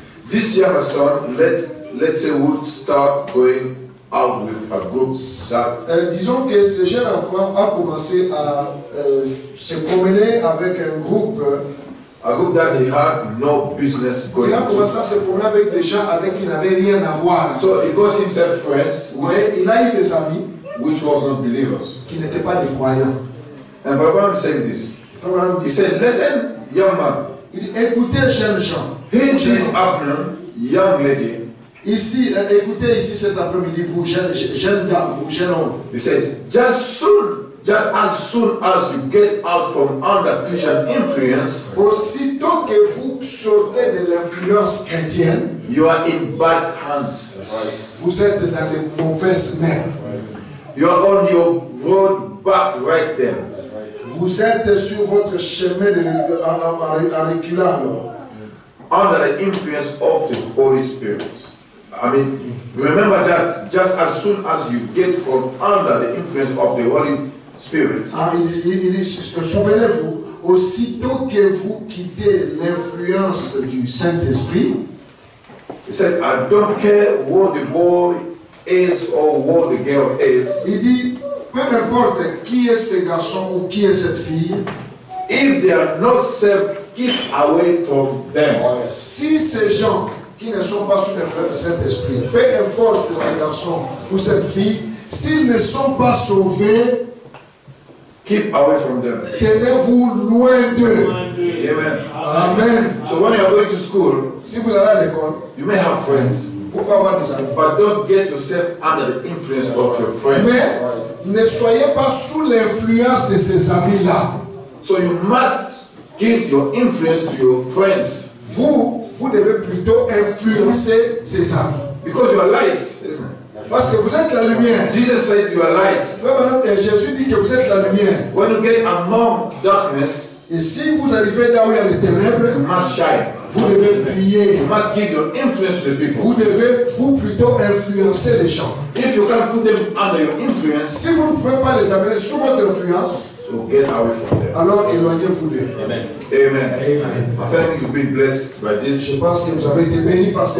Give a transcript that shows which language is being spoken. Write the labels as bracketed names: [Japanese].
[English] this young son let's say would start going out with a group. That, [French] disons que ce jeune enfant a commencé à se promener avec un groupe. [English] A group that he had no business going. [French] Il a commencé à se promener avec des gens avec qui il n'avait rien à voir. [English] So he got himself friends. [French] Oui, il a eu des amis. [English] Which was not believers. [French] Qui n'étaient pas des croyants. [English] And Baba Ram said this. Baba Ram [French] dit. [English] He said, listen, young man. [French] Il dit, écoutez, jeune gens. [English] Here this afternoon, young lady. [French] Ici, écoutez ici cet après-midi, vous jeune dame, vous jeune homme. [English] He says, just as soon as you get out from under Christian influence, [French] aussitôt que vous sortez de l'influence chrétienne, [English] you are in bad hands. [French] Vous êtes dans les mauvaises mains. [English] You are on your road back right there. [French] Vous êtes sur votre chemin de reculant. [English] Under the influence of the Holy Spirit. I mean, remember that just as soon as you get from under the influence of the Holy Spirit. [French] Souvenez-vous, aussitôt que vous quittez l'influence du Saint-Esprit, [English] he said, I don't care what the boy is or what the girl is. [French] Il dit, peu importe qui est ce garçon ou qui est cette fille, [English] if they are not saved, keep away from them. [French] Si ces gens qui ne sont pas sous l'influence du Saint-Esprit, peu importe ce garçon ou cette fille, s'ils ne sont pas sauvés, [English] keep away from them. [French] Tenez-vous loin d'eux. [English] Amen. Amen. So when you are going to school, [French] si vous allez à l'école, [English] you may have friends. [French] Vous pouvez avoir des amis. [English] But don't get yourself under the influence of your friends. [French] Mais ne soyez pas sous l'influence de ces amis-là. [English] So you must give your influence to your friends. [French] Vous devez plutôt influencer ces amis. [English] Because you are light. [French] Parce que vous êtes la lumière. [English] Jesus said you are light. [French] Vraiment, Jésus dit que vous êtes la lumière. [English] When you get among darkness, [French] et si vous arrivez là où il y a les ténèbres, [English] you must shine. [French] Vous devez briller. [English] You must give your influence to the people. [French] Vous devez vous plutôt influencer les gens. [English] If you can't put them under your influence, [French] si vous ne pouvez pas les amener sous votre influence, [English] so get away from them. [French] Alors éloignez-vous d'eux. [English] Amen. Amen. I think you've been blessed by this. [French] Je pense que vous avez été béni par ce